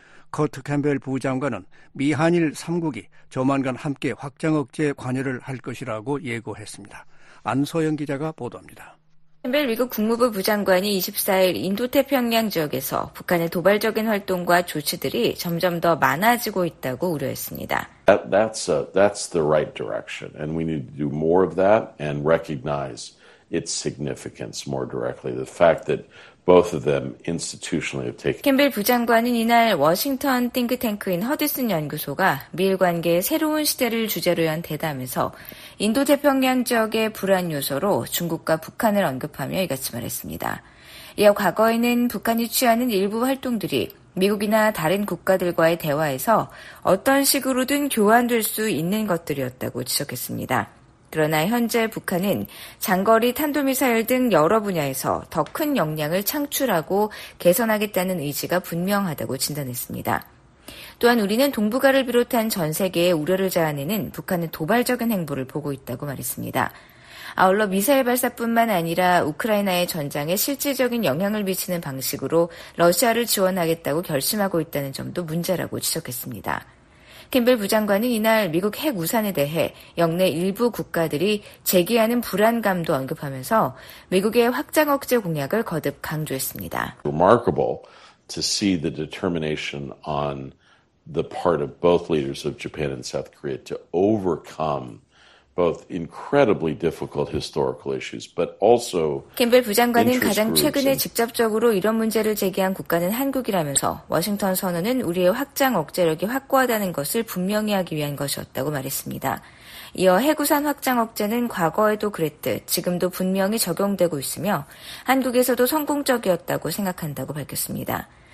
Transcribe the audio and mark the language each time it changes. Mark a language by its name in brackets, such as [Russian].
[Korean] 커트 캠벨 부장관은 미한일 3국이 조만간 함께 확장 억제 관여를 할 것이라고 예고했습니다. 안소영 기자가 보도합니다. 캠벨 미국 국무부 부장관이 24일 인도태평양 지역에서 북한의 도발적인 활동과 조치들이 점점 더 많아지고 있다고 우려했습니다. [English] That's the right direction and we need to do more of that and recognize its significance more directly. The fact that both of them institutionally have taken [Korean] 캠벨 부장관은 이날 워싱턴 띵크탱크인 허디슨 연구소가 미일 관계의 새로운 시대를 주제로 연 대담에서 인도태평양 지역의 불안 요소로 중국과 북한을 언급하며 이같이 말했습니다. 이어 과거에는 북한이 취하는 일부 활동들이 미국이나 다른 국가들과의 대화에서 어떤 식으로든 교환될 수 있는 것들이었다고 지적했습니다. 그러나 현재 북한은 장거리 탄도미사일 등 여러 분야에서 더 큰 역량을 창출하고 개선하겠다는 의지가 분명하다고 진단했습니다. 또한 우리는 동북아를 비롯한 전 세계의 우려를 자아내는 북한의 도발적인 행보를 보고 있다고 말했습니다. 아울러 미사일 발사뿐만 아니라 우크라이나의 전장에 실질적인 영향을 미치는 방식으로 러시아를 지원하겠다고 결심하고 있다는 점도 문제라고 지적했습니다. 캠벨 부장관은 이날 미국 핵 우산에 대해 영내 일부 국가들이 제기하는 불안감도 언급하면서 미국의 확장 억제 공약을 거듭 강조했습니다. [English] Remarkable to see the determination on the part of both leaders of Japan and South Korea to overcome both incredibly difficult historical issues, but also [Korean] 캠벨 부장관은 가장 최근에 직접적으로 이런 문제를 제기한 국가는 한국이라면서 워싱턴 선언은 우리의 확장 억제력이 확고하다는 것을 분명히 하기 위한 것이었다고 말했습니다. 이어 해구산 확장 억제는 과거에도 그랬듯 지금도 분명히 적용되고 있으며 한국에서도 성공적이었다고 생각한다고 밝혔습니다.